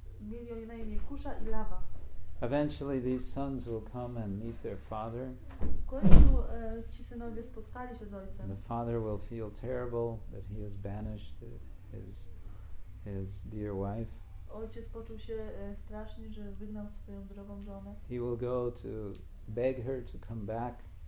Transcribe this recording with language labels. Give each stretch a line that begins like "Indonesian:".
Polish: Mieli oni na imię Kusha i Lava.
English: Eventually these sons will come and meet their father.
Polish: W końcu ci synowie spotkali się z ojcem.
English: The father will feel terrible that he has banished his dear wife.
Polish: Ojciec poczuł się strasznie, że wygnał swoją drogą żonę.
English: He will go to beg her to come back.